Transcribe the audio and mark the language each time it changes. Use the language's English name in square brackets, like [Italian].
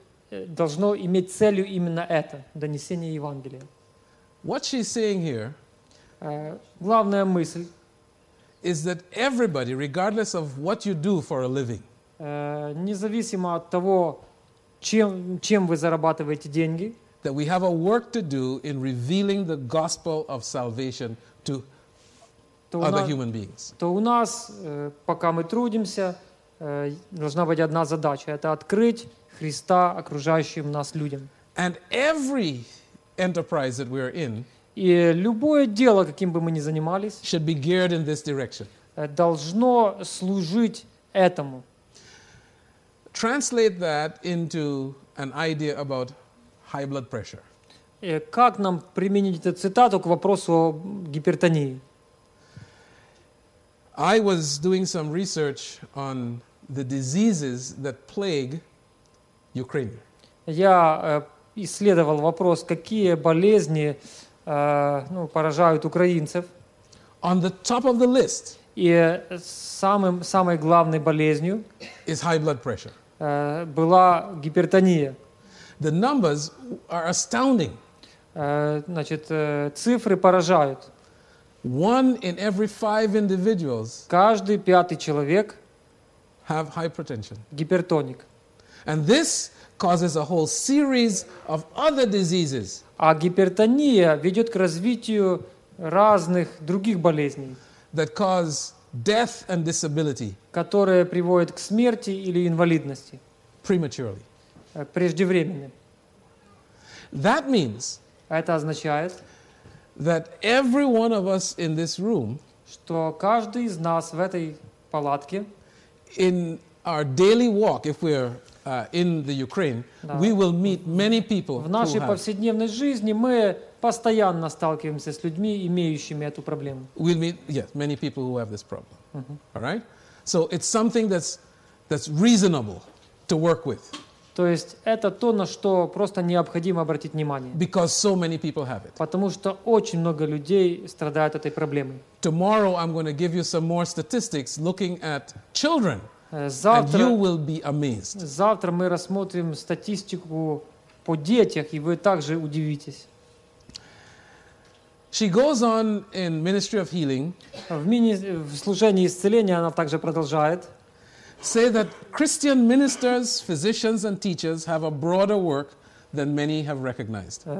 [Russian] Должно иметь целью именно это, донесение Евангелия. [English] What she's saying here, [Russian] главная мысль, [English] is that everybody, regardless of what you do for a living, [Russian] независимо от того, чем вы зарабатываете деньги, [English] that we have a work to do in revealing the gospel of salvation to other human beings. [Russian] То у нас, пока мы трудимся, должна быть одна задача – это открыть Христа окружающим нас людям. [English] And every enterprise that we are in, [Russian] и любое дело, каким бы мы ни занимались, [English] should be geared in this direction. [Russian] Должно служить этому. [English] Translate that into an idea about high blood pressure. [Russian] Как нам применить эту цитату к вопросу о гипертонии? [English] I was doing some research on the diseases that plague Ukraine. [Russian] Я исследовал вопрос, какие болезни поражают украинцев. [English] On the top of the list. [Russian] И самой главной болезнью [English] is high blood pressure. [Russian] Была гипертония. [English] The numbers are astounding. [Russian] Цифры поражают. [English] One in every five individuals. [Russian] Каждый пятый человек. [English] Have hypertension. [Russian] Гипертоник. [English] And this causes a whole series of other diseases. [Russian] А гипертония ведет к развитию разных других болезней, [English] that cause death and disability, [Russian] которые приводят к смерти или инвалидности [English] prematurely. [Russian] Преждевременно. [English] That means, [Russian] это означает, [English] that every one of us in this room, [Russian] что каждый из нас в этой палатке, [English] in our daily walk, if we're in the Ukraine, да, we will meet many people. [Russian] В нашей повседневной жизни мы постоянно сталкиваемся с людьми, имеющими эту проблему. [English] We'll meet, yes, many people who have this problem. Mm-hmm. All right? So it's something that's reasonable to work with. [Russian] То есть это то, на что просто необходимо обратить внимание. [English] Because so many people have it. [Russian] Потому что очень много людей страдают этой проблемой. [English] Tomorrow I'm going to give you some more statistics looking at children. [Russian] Завтра, [English] and you will be amazed. [Russian] Завтра мы рассмотрим статистику по детях, и вы также удивитесь. [English] She goes on in Ministry of Healing. [Russian] В служении исцеления она также продолжает. [English] Say that Christian ministers, physicians, and teachers have a broader work than many have recognized.